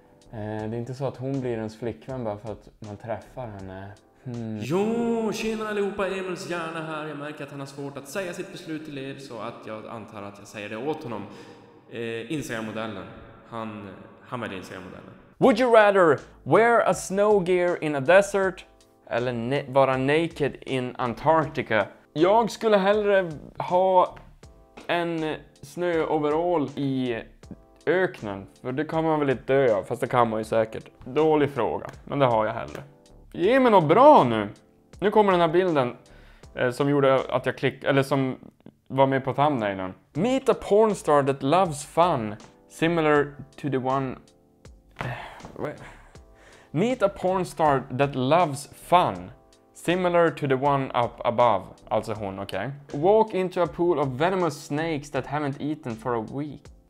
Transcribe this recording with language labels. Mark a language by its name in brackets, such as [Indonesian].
[Swedish] Det är inte så att hon blir ens flickvän bara för att man träffar henne. Hmm. Jo, tjena allihopa, Emils hjärna här. Jag märker att han har svårt att säga sitt beslut till er, så att jag antar att jag säger det åt honom. Instagram-modellen. Han väljer Instagram-modellen. [English] Would you rather wear a snow gear in a desert [Swedish] eller vara [English] naked in Antarctica? [Swedish] Jag skulle hellre ha en snö overall i öknen, för det kan man väl inte dö av, fast det kan man ju säkert. Dålig fråga, men det har jag heller. Ge mig något bra nu. Nu kommer den här bilden som gjorde att jag klickade, eller som var med på thumbnailen. [English] Meet a pornstar that loves fun, similar to the one... Meet a pornstar that loves fun, similar to the one up above. [Swedish] Alltså hon, okej. [English] Okay. Walk into a pool of venomous snakes that haven't eaten for a week.